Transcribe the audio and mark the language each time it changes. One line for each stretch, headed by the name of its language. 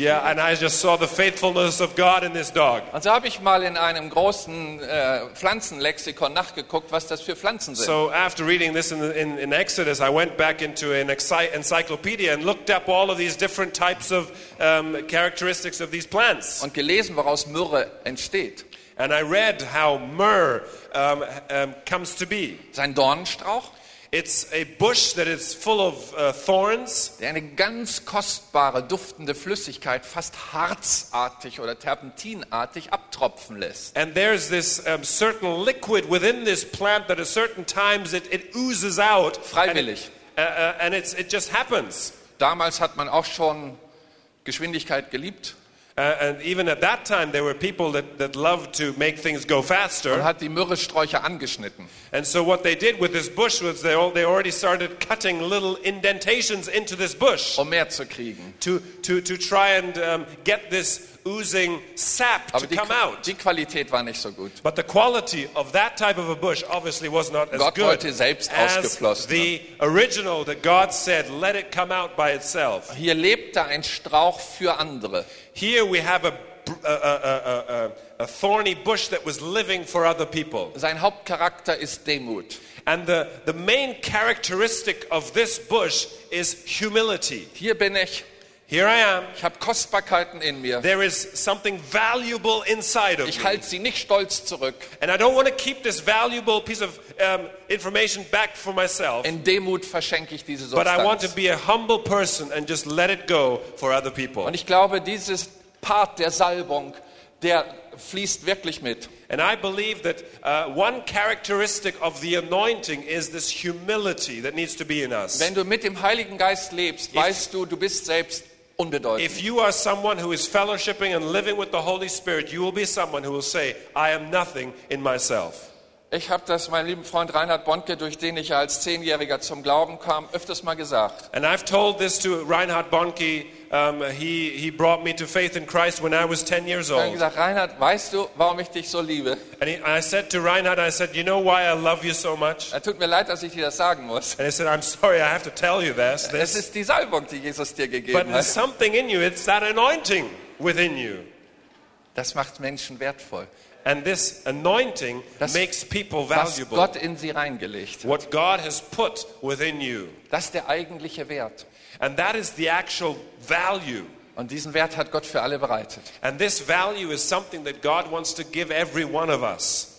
English: Yeah, and I just saw the faithfulness of God in this dog.
German: Und so habe ich mal in einem großen Pflanzenlexikon nachgeguckt, was das für Pflanzen sind.
English: So after reading this in Exodus, I went back into an encyclopedia and looked up all of these different types of characteristics of these plants.
German: Und gelesen, woraus Myrrhe entsteht.
English: And I read how myrrh comes to be.
German: Sein Dornenstrauch.
English: It's a bush that is full of thorns.
German: Der eine ganz kostbare duftende Flüssigkeit fast harzartig oder terpentinartig abtropfen lässt.
English: And there's this certain liquid within this plant that at certain times it oozes out.
German: Freiwillig.
English: And it just happens.
German: Damals hat man auch schon Geschwindigkeit geliebt.
English: And even at that time, there were people that loved to make things go faster.
German: Und hat die Myrrhesträucher angeschnitten.
English: And so what they did with this bush was they already started cutting little indentations into this bush.
German: Um mehr zu kriegen.
English: To try and get this oozing sap
German: Aber
English: to come out.
German: Die Qualität war nicht so gut.
English: But the quality of that type of a bush obviously was not as
German: Gott
English: good
German: selbst
English: as
German: ausgeflossen.
English: The original that God said, let it come out by itself.
German: Hier lebte ein Strauch für andere.
English: Here we have a thorny bush that was living for other people.
German: Sein Hauptcharakter ist Demut.
English: And the main characteristic of this bush is humility.
German: Hier bin ich.
English: Here I am.
German: Ich habe Kostbarkeiten in mir.
English: There is something valuable inside of me.
German: Ich halte sie nicht stolz zurück.
English: And I don't want to keep this valuable piece of information back for myself.
German: In Demut verschenke ich diese Substanz.
English: But I want to be a humble person and just let it go for other people.
German: Und ich glaube, dieses Part der Salbung, der fließt wirklich mit.
English: And I believe that one characteristic of the anointing is this humility that needs to be in us.
German: Wenn du mit dem Heiligen Geist lebst, weißt du bist selbst unbedeutend.
English: If you are someone who is fellowshipping and living with the Holy Spirit, you will be someone who will say, I am nothing in myself.
German: Ich habe das meinem lieben Freund Reinhard Bonnke, durch den ich als 10-Jähriger zum Glauben kam, öfters mal gesagt.
English: And I've told this to Reinhard Bonnke. He brought me to faith in Christ when I was 10 years old.
German: Ich sagte, Reinhard, weißt du, warum ich dich so liebe?
English: And I said to Reinhard, I said, you know why I love you so much?
German: Er tut mir leid, dass ich dir das sagen muss.
English: And I said, I'm sorry, I have to tell you this.
German: Es ist die Salbung, die Jesus dir gegeben hat.
English: But there's something in you, it's that anointing within you.
German: Das macht Menschen wertvoll.
English: And this anointing das, makes people valuable.
German: Was Gott in sie reingelegt hat.
English: What God has put within you.
German: Das ist der eigentliche Wert.
English: And that is the actual value.
German: Und diesen Wert hat Gott für alle bereitet.
English: And this value is something that God wants to give every one of us.